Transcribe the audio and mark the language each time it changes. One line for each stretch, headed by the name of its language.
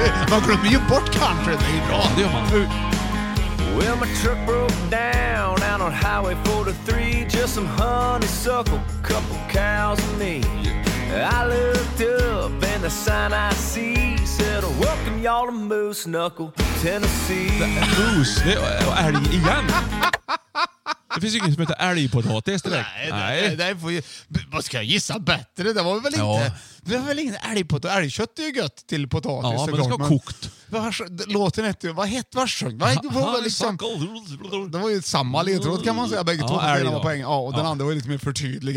Swedish: Man glömmer ju bort country, det är ju bra. Det gör man.
English: Well, my truck broke down out on highway 43. Just some honeysuckle, couple cows and me. I looked up and the sign I see said, welcome y'all to Moose Knuckle, Tennessee.
Swedish: Moose, det är älg igen. Det finns ju ingen som heter älgpotatis direkt. Nej. Vad ska jag gissa bättre? Det var väl inte. Det var väl ingen älgpotatis. Älgkött är ju gött till potatis. Ja, men det ska vara kokt. låten hette ju, vad sjöng? Det var ju samma ledtråd kan man säga, bägge två var på poäng. Ja, och den andra var ju lite mer förtydlig.